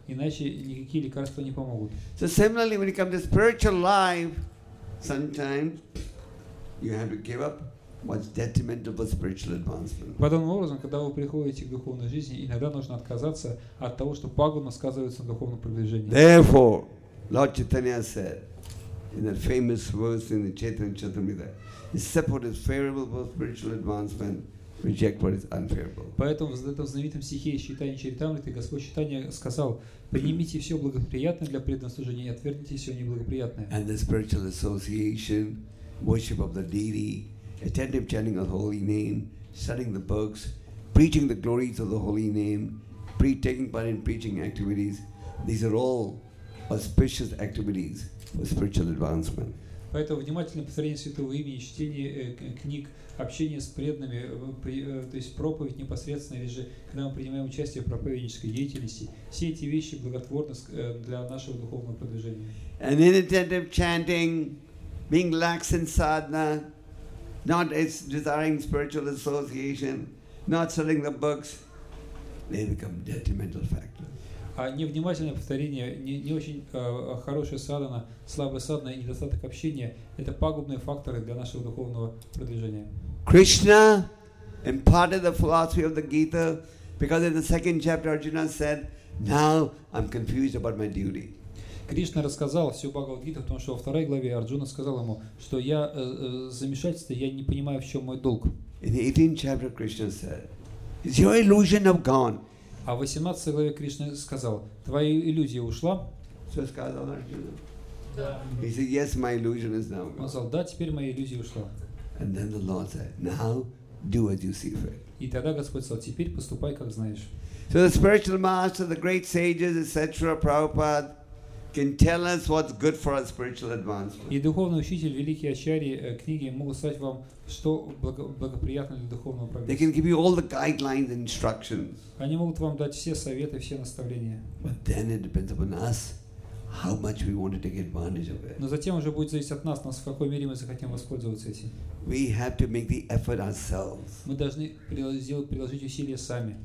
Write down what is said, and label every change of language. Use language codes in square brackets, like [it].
[ru] Иначе никакие лекарства не помогут. [en] So similarly, when you come to spiritual life, sometimes you have to give up what's detrimental for spiritual advancement. [ru] Подобным образом, когда вы приходите к духовной жизни, иногда нужно отказаться от того, что пагубно сказывается на духовном продвижении. [en] Therefore, Lord Chaitanya said, in that famous verse in the Chaitanya Charitamrita, accept what is favorable for spiritual advancement, reject what is unfavorable. [ru] Поэтому в этом знаменитом стихе Чайтанья Чаритамриты Господь Чайтанья сказал: «Примите все благоприятное для преданного служения и отвергните все неблагоприятное». [en] And the spiritual association, worship of the deity, attentive chanting of the holy name, studying the books, preaching the glories of the holy name, taking part in preaching activities, these are all auspicious activities. For spiritual advancement. [ru] Поэтому внимательное повторение святого имени, чтение книг, общение с преданными, то есть проповедь непосредственно, или же когда мы принимаем участие в проповеднической деятельности, все эти вещи благотворны для нашего духовного продвижения. [en] An inattentive chanting, being lax in sadhana, not desiring spiritual association, not selling the books, they become detrimental factors. [ru] А невнимательное повторение, не очень хорошая садхана, слабая садхана и недостаток общения – это пагубные факторы для нашего духовного продвижения. [en] Krishna imparted the philosophy of the Gita because in the second chapter Arjuna said, "Now I'm confused about my duty." [ru] Кришна рассказал всю Бхагавад-гиту, потому что во второй главе Арджуна сказал ему, что я замешательство, я не понимаю, в чем мой долг. [en] In the 18th chapter, Krishna said, "Is your illusion of gone?" [ru] А в 18 главе Кришна сказал, твоя иллюзия ушла. Что сказал Арджуна? [en] He said, yes, my illusion is now gone. [ru] Он сказал, да, теперь моя иллюзия ушла. [en] And then the Lord said, now do what you see fit. [ru] И тогда Господь сказал, теперь поступай, как знаешь. [en] So the spiritual master, the great sages, etc., Prabhupada, can tell us what's good for our spiritual advancement. [ru] И духовный учитель, великий ачарьи, книги могут сказать вам, что благоприятно для духовного прогресса. [en] They can give you all the guidelines and instructions. [ru] Они могут вам дать все советы, все наставления. [en] But then it depends upon us, how much we want to take advantage of it. [ru] Но затем уже будет зависеть от нас, в какой мере мы захотим воспользоваться этим. [en] We have to make the effort ourselves. [ru] Мы должны приложить усилия сами.